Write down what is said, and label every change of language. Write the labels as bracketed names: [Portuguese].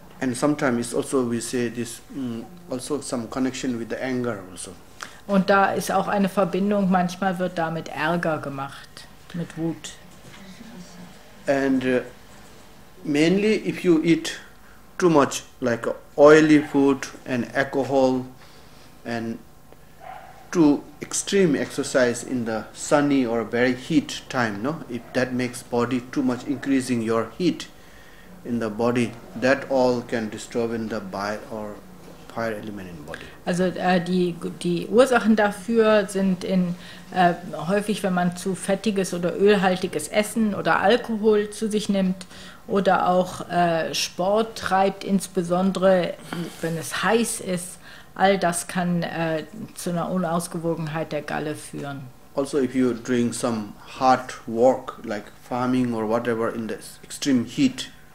[English] And sometimes it's also we say this also some connection with the anger also. [German] Und da ist auch eine Verbindung. Manchmal wird damit Ärger gemacht, mit Wut. [English] And mainly if you eat too much like oily food and alcohol and too extreme exercise in the sunny or very heat time, no, if that makes body too much increasing your heat in the body, that all can disturb in the bile or fire element in body. [German] Also die Ursachen dafür sind in häufig wenn man zu fettiges oder ölhaltiges Essen oder Alkohol zu sich nimmt oder auch Sport treibt, insbesondere wenn es heiß ist, all das kann zu einer Unausgewogenheit der Galle führen. [English] Also if you drink some hard work like farming or whatever in the extreme heat